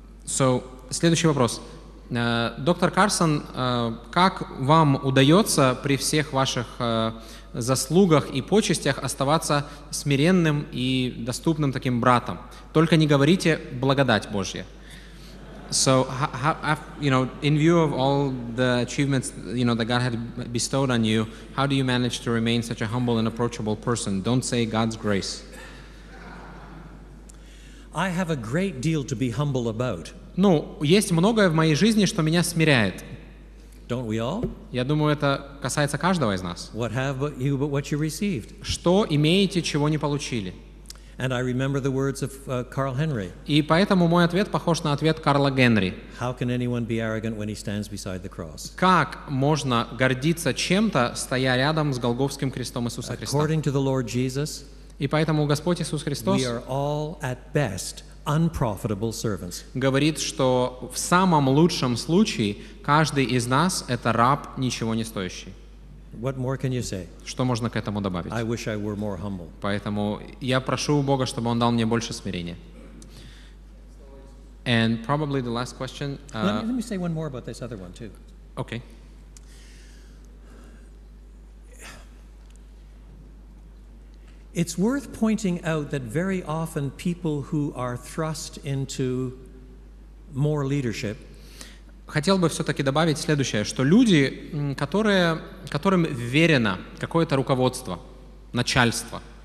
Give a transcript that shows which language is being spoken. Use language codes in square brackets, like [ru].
[en] So, [ru] следующий вопрос. Доктор Карсон, как вам удается при всех ваших заслугах и почестях оставаться смиренным и доступным таким братом? Только не говорите «благодать Божья». [en] So, you know, in view of all the achievements, you know, that God had bestowed on you, how do you manage to remain such a humble and approachable person? Don't say God's grace. I have a great deal to be humble about. [ru] Ну, есть многое в моей жизни, что меня смиряет. [en] Don't we all? [ru] Я думаю, это касается каждого из нас. [en] What have you but what you received? [ru] Что имеете, чего не получили? [en] And I remember the words of Carl Henry. [ru] И поэтому мой ответ похож на ответ Карла Генри. [en] How can anyone be arrogant when he stands beside the cross? [ru] Как можно гордиться чем-то, стоя рядом с Голгофским крестом Иисуса Христа? [en] According to the Lord Jesus, [ru] и поэтому Господь Иисус Христос, [en] we are all at best unprofitable servants. [ru] Говорит, что в самом лучшем случае каждый из нас это раб, ничего не стоящий. [en] What more can you say? [ru] Что можно к этому добавить? [en] I wish I were more humble. [ru] Поэтому я прошу у Бога, чтобы Он дал мне больше смирения. [en] And probably the last question. Let me say one more about this other one too. Okay. It's worth pointing out that very often people who are thrust into more leadership. [ru] Хотел бы все-таки добавить следующее, что люди, которым верено какое-то руководство, начальство,